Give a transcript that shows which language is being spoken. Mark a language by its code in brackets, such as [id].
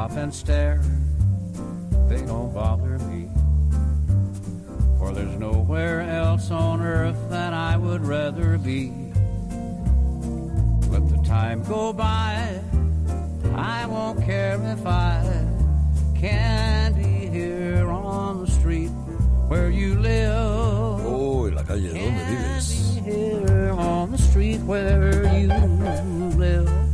[en] Stare, they don't bother me, for there's nowhere else on earth that I would rather be. Let the time go by, I won't care if I can be here on the street where you live. [es] Oh, en la calle donde vives. [en] On the street where you live.